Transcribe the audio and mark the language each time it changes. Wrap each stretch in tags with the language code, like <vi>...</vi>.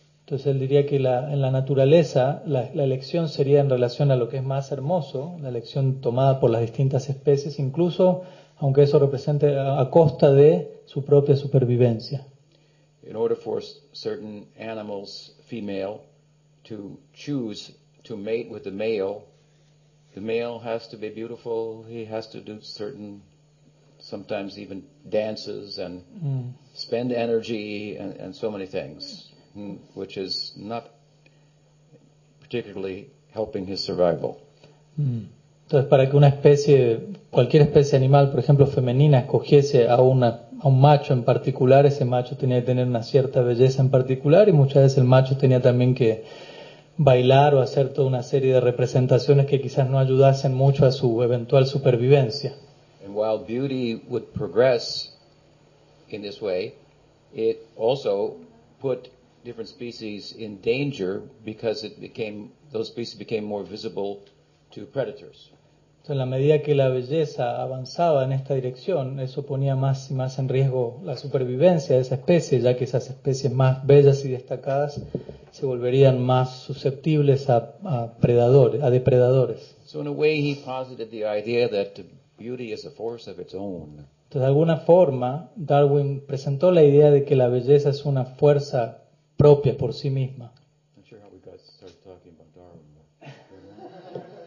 <es>Entonces él diría que en la naturaleza la elección sería en relación a lo que es más hermoso, la elección tomada por las distintas especies, incluso aunque eso represente a costa de su propia supervivencia.</es> <en>In order for certain animals, female, to choose to mate with the male has to be beautiful, he has to do certain, sometimes even dances and spend energy and so many things, which is not particularly helping his survival.</en> <es>Entonces, para que una especie, cualquier especie animal, por ejemplo, femenina, escogiese a una a un macho en particular, ese macho tenía que tener una cierta belleza en particular, y muchas veces el macho tenía también que bailar o hacer toda una serie de representaciones que quizás no ayudasen mucho a su eventual supervivencia.</es> <en>And while beauty would progress in this way, it also put different species in danger because it became, those species became more visible to predators.</en> <es>Entonces, en la medida que la belleza avanzaba en esta dirección, eso ponía más y más en riesgo la supervivencia de esa especie, ya que esas especies más bellas y destacadas se volverían más susceptibles a predadores, a depredadores.</es> <en>So in a way he posited the idea that beauty is a force of its own.</en> <es>Entonces, de alguna forma, Darwin presentó la idea de que la belleza es una fuerza propia por sí misma.</es> <en>I'm sure how we got started talking about Darwin.</en>